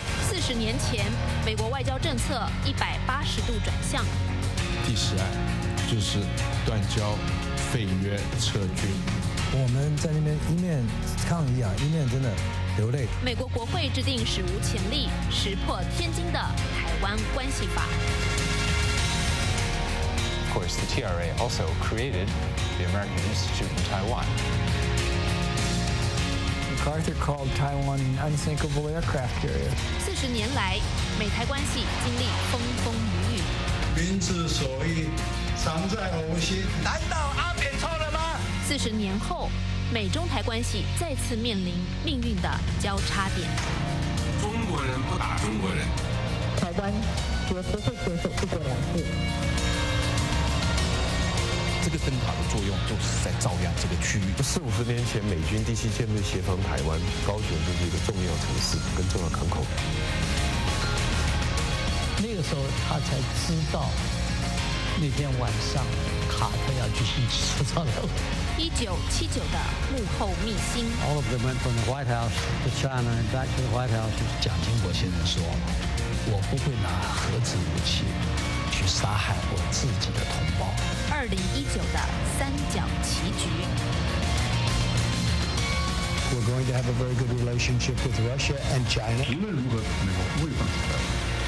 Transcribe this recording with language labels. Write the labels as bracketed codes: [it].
[zh] 40年前，美国外交政策180度转向。第10案就是断交、废约、撤军。我们在那边一面抗议啊，一面真的流泪。美国国会制定史无前例、石破天惊的台湾关系法。 [en] Of course, the TRA also created the American Institute in Taiwan. MacArthur called Taiwan an unsinkable aircraft carrier. [zh] 40年来，美台关系经历风风雨雨。民之所欲，常在吾心。难道阿扁错了吗？ 40年后，美中台关系再次面临命运的交叉点。中国人不打中国人，台湾绝不会接受一国两制。这个灯塔的作用就是在照亮这个区域。 40-50年前，美军第七舰队协防台湾，高雄就是一个重要城市跟重要港口。那个时候他才知道，那天晚上卡特要举行首脑会。 1979的幕后秘辛。 [en] All of them went from the White House to China and back to the White House。 [zh] 蒋经国先生说，我不会拿核子武器去杀害我自己的同胞。 2019的三角棋局。 [en] We're going to have a very good relationship with Russia and China。 [zh] 无论如何，美国不会放弃的。